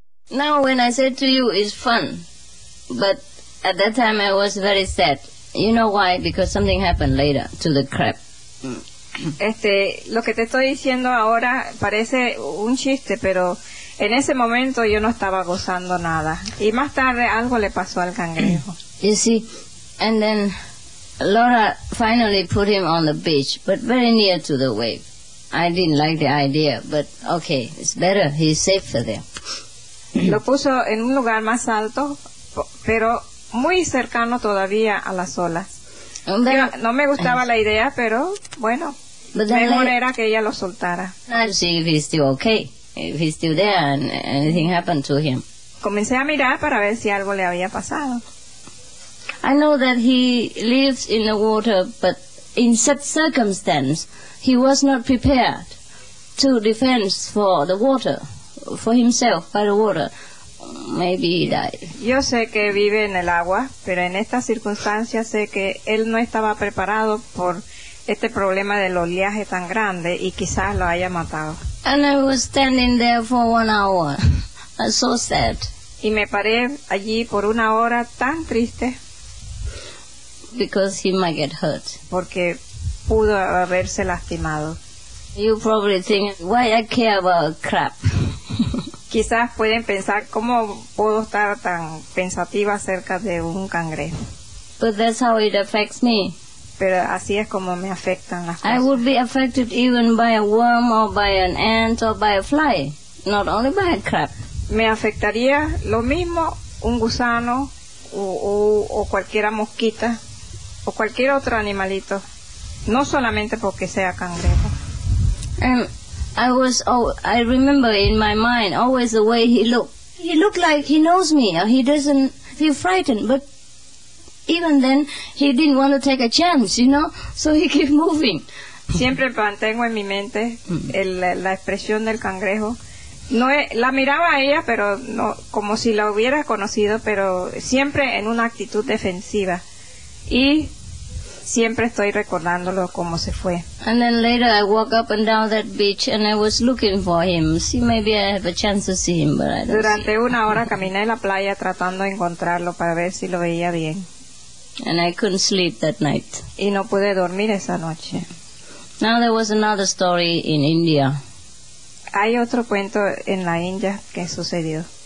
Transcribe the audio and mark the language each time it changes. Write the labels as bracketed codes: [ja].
[en] Now, when I said to you, it's fun, but at that time I was very sad. You know why? Because something happened later to the crab. [es] Lo que te estoy diciendo ahora parece un chiste, pero en ese momento yo no estaba gozando nada. Y más tarde algo le pasó al cangrejo. [en] You see, and then Laura finally put him on the beach, but very near to the wave. I didn't like the idea, but okay, it's better. He's safer there. [es] Lo puso en un lugar más alto, pero muy cercano todavía a las olas. Yo no me gustaba la idea, pero bueno, mejor era que ella lo soltara. [en] I'll see if he's still okay, if he's still there and anything happened to him. [es] Comencé a mirar para ver si algo le había pasado. [en] I know that he lives in the water, but in such circumstance, he was not prepared to defend for the water. For himself, by the water, maybe he died. [es] Yo sé que vive en el agua, pero en estas circunstancias sé que él no estaba preparado por este problema del oleaje tan grande y quizás lo haya matado. [en] And I was standing there for 1 hour. I'm so sad. [es] Y me paré allí por una hora tan triste. [en] Because he might get hurt. [es] Porque pudo haberse lastimado. [en] You probably think, why I care about crap? [es] Quizás pueden pensar, ¿cómo puedo estar tan pensativa acerca de un cangrejo? [en] But that's how it affects me. [es] Pero así es como me afectan las cosas. [en] I would be affected even by a worm or by an ant or by a fly, not only by a crab. [es] Me afectaría lo mismo un gusano o cualquiera mosquita o cualquier otro animalito, no solamente porque sea cangrejo. [en] And I remember in my mind always the way he looked. He looked like he knows me. He doesn't feel frightened, but even then, he didn't want to take a chance, you know? So he kept moving. [es] Siempre mantengo en mi mente la expresión del cangrejo. No es, la miraba a ella, pero no, como si la hubiera conocido, pero siempre en una actitud defensiva. Y siempre estoy recordándolo cómo se fue. [en] And then later I walk up and down that beach and I was looking for him. See, maybe I have a chance to see him, but I don't. [es] Durante una hora caminé en la playa tratando de encontrarlo para ver si lo veía bien. [en] And I couldn't sleep that night. [es] Y no pude dormir esa noche. [en] Now there was another story in India. [es] Hay otro cuento en la India que sucedió.